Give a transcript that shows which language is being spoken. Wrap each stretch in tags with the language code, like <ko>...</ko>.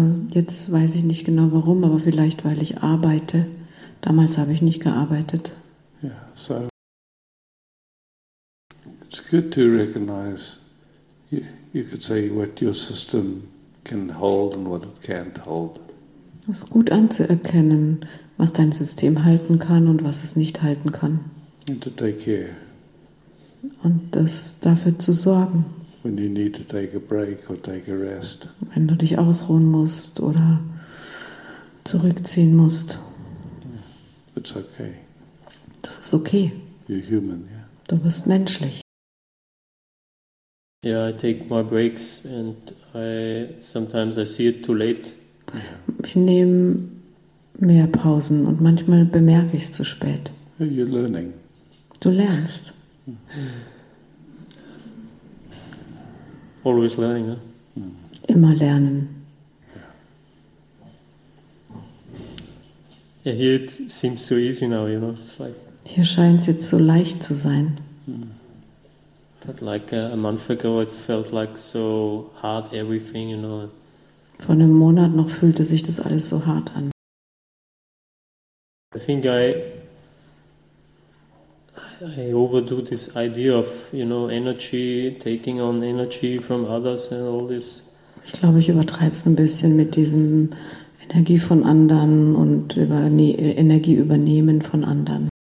<de>Jetzt weiß ich nicht genau warum, aber vielleicht weil ich arbeite. Damals habe ich nicht gearbeitet.</de> <en>Yeah, so it's good to recognize, you could say, what your system can hold and what it can't hold.</en> <de>Es ist gut anzuerkennen, was dein System halten kann und was es nicht halten kann.</de> <en>And to take care.</en> <de>Und das dafür zu sorgen.</de> <en>When you need to take a break or take a rest.</en> <de>Wenn du dich ausruhen musst oder zurückziehen musst.</de> <en>It's okay.</en> <de>Das ist okay.</de> <en>You're human, yeah.</en> <de>Du bist menschlich.</de> <en>Yeah, I take my breaks and sometimes I see it too late.</en> <de>Ich nehme mehr Pausen und manchmal bemerke ich es zu spät.</de> <en>You're learning.</en> <de>Du lernst.</de> <en>Always learning, huh?</en> <de>Immer lernen.</de> <en>Yeah, here it seems so easy now, you know. It's like</en> <de>hier scheint es jetzt so leicht zu sein.</de> <en>But like a month ago, it felt like so hard, everything, you know.</en> <de>Vor einem Monat noch fühlte sich das alles so hart an.</de> <en>I think I overdo this idea of, you know, energy, taking on energy from others and all this.</en> <de>Ich glaube, ich übertreibe es ein bisschen mit diesem Energie von anderen und Energie übernehmen von anderen.</de>